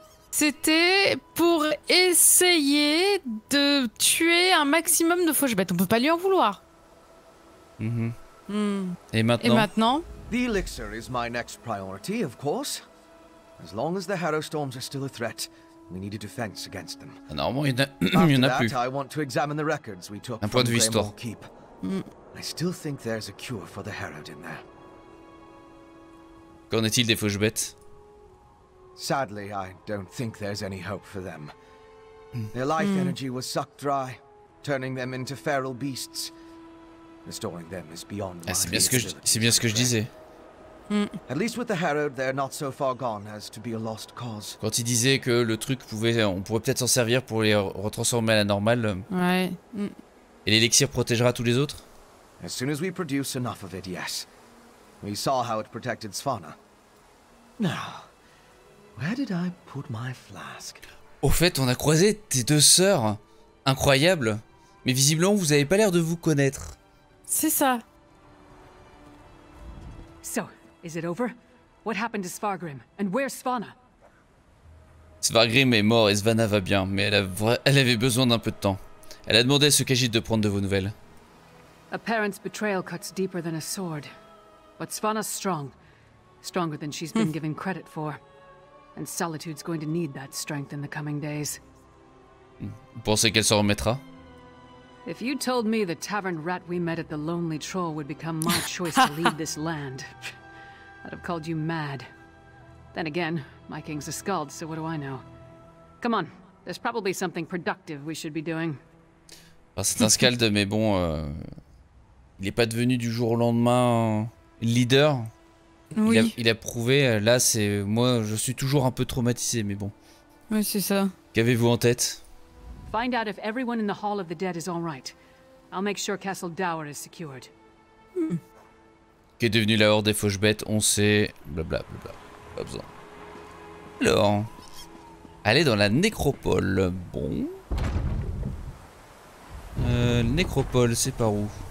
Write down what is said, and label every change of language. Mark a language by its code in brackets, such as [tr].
[fr] C'était pour essayer de tuer un maximum de fauches bêtes. On peut pas lui en vouloir. Et maintenant? [en] The elixir is my next priority, of course. As long as the Harrowstorms are still a threat, we need a defense against them. [fr] Normalement, il n'y en a plus. [en] I want to examine the records we took [fr] un point de vue histoire. [en] Keep. I still think there's a cure for the Harrowed in there. [fr] Qu'en est-il des fauches bêtes? [en] Sadly, I don't think there's any hope for them. Their life energy was sucked dry, turning them into feral beasts. Restoring them is beyond my [fr] c'est bien ce que je disais. [en] At least with the Harrowed, they're not so far gone as to be a lost cause. [fr] Quand il disait que le truc on pourrait peut-être s'en servir pour les retransformer à la normale. Ouais. Et l'élixir protégera tous les autres? [en] As soon as we produce enough of it, yes. We saw how it protected Svana. Now, where did I put my flask? [fr] Au fait, on a croisé tes deux sœurs. Incroyable. Mais visiblement, vous avez pas l'air de vous connaître. C'est ça. [en] So, is it over? What happened to Svargrim? And where's Svana? [fr] Svargrim est mort et Svana va bien, mais elle avait besoin d'un peu de temps. Elle a demandé à ce Khajiit de prendre de vos nouvelles. [en] A parent's betrayal cuts deeper than a sword. But Svana's strong. Stronger than she's been given credit for. And Solitude's going to need that strength in the coming days. [fr] Vous pensez qu'elle s'en remettra? [en] If you told me the tavern rat we met at the Lonely Troll would become my choice to lead this land, I'd have called you mad. Then again, my king's a scald, so what do I know? Come on, there's probably something productive we should be doing. [fr] Enfin, c'est un scald, mais bon, il est pas devenu du jour au lendemain leader. Oui. Il a prouvé, là c'est moi, je suis toujours un peu traumatisé, mais bon. Oui, c'est ça. Qu'avez-vous en tête? [en] Find out if everyone in the Hall of the Dead is all right. I'll make sure Castle Dower is secured. [fr] Qu'est devenu la Horde des Fauches Bêtes, on sait. Blablabla. Pas besoin. Alors. Aller dans la nécropole. Bon. Nécropole, c'est par où?